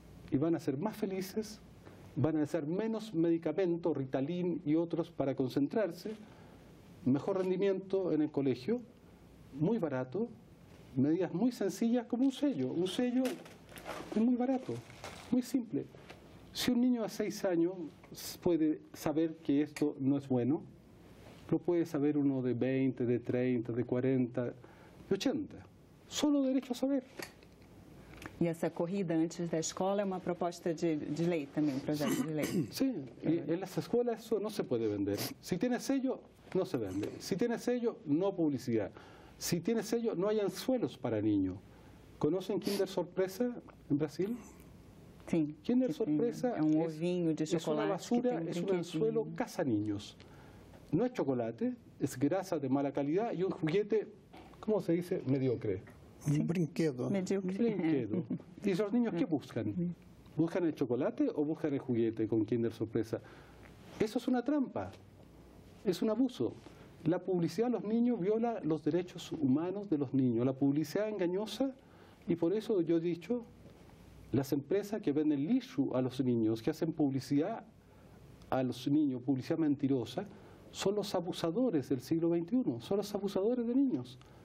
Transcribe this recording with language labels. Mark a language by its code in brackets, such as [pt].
[es] Y van a ser más felices, van a necesitar menos medicamento, Ritalin y otros para concentrarse, mejor rendimiento en el colegio, muy barato, medidas muy sencillas como un sello es muy barato, muy simple. Si un niño a 6 años puede saber que esto no es bueno, lo puede saber uno de 20, de 30, de 40, de 80, solo derecho a saber. [pt] E essa corrida antes da escola é uma proposta de lei também, projeto de lei. Sim, sí, e nas escolas isso não se pode vender. Se tem [es] sello, [pt] não se vende. Se tem sello, não publicidade. Se tem sello, não há [es] anzuelos para niños. ¿Conocen Kinder Sorpresa [pt] em [es] Brasil? [pt] Sim. [es] Kinder Sorpresa [pt] é um ovinho de chocolate. É uma basura, é um anzuelo caça-niños. Não é chocolate, é [es] grasa de mala [pt] qualidade e um juguete, como se diz, mediocre. Un brinquedo. [es] Brinquedo. ¿Y esos niños qué buscan? ¿Buscan el chocolate o buscan el juguete con Kinder Sorpresa? Eso es una trampa. Es un abuso. La publicidad a los niños viola los derechos humanos de los niños. La publicidad engañosa, y por eso yo he dicho, las empresas que venden lixo a los niños, que hacen publicidad a los niños, publicidad mentirosa, son los abusadores del siglo XXI, son los abusadores de niños.